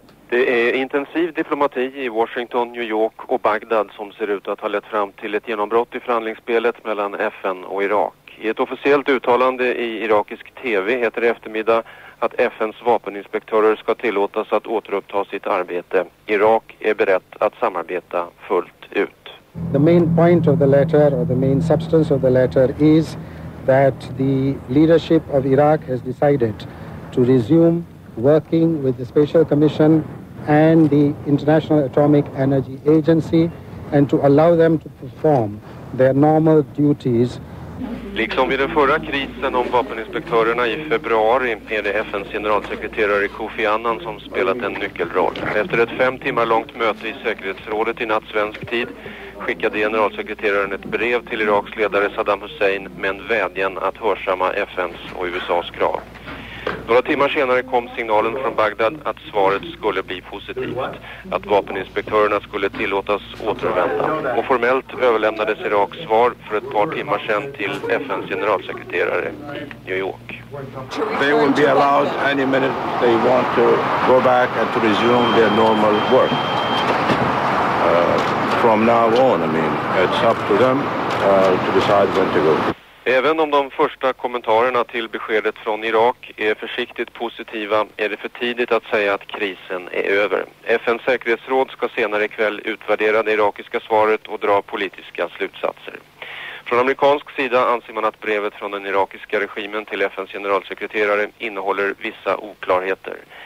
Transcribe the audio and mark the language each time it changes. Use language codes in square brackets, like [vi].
[sv] Det är intensiv diplomati i Washington, New York och Bagdad som ser ut att ha lett fram till ett genombrott i förhandlingsspelet mellan FN och Irak. I ett officiellt uttalande i irakisk TV heter det eftermiddag att FNs vapeninspektörer ska tillåtas att återuppta sitt arbete. Irak är berett att samarbeta fullt ut. [en] The main point of the letter, or the main substance of the letter, is that the leadership of Iraq has decided to resume working with the Special Commission and the International Atomic Energy Agency and to allow them to perform their normal duties. [sv] Liksom vid den förra krisen om vapeninspektörerna i februari är det FNs generalsekreterare Kofi Annan som spelat en nyckelroll. Efter ett 5 timmar långt möte i säkerhetsrådet i natt svensk tid skickade generalsekreteraren ett brev till Iraks ledare Saddam Hussein med en vädjan att hörsamma FNs och USAs krav. Några timmar senare kom signalen från Bagdad att svaret skulle bli positivt, att vapeninspektörerna skulle tillåtas återvända. Och formellt överlämnades Iraks svar för ett par timmar sedan till FNs generalsekreterare i New York. [en] They will be allowed any minute they want to go back and to resume their normal work. From now on, I mean, it's up to them to decide when to go. [sv] Även om de första kommentarerna till beskedet från Irak är försiktigt positiva, är det för tidigt att säga att krisen är över. FNs säkerhetsråd ska senare ikväll utvärdera det irakiska svaret och dra politiska slutsatser. Från amerikansk sida anser man att brevet från den irakiska regimen till FNs generalsekreterare innehåller vissa oklarheter.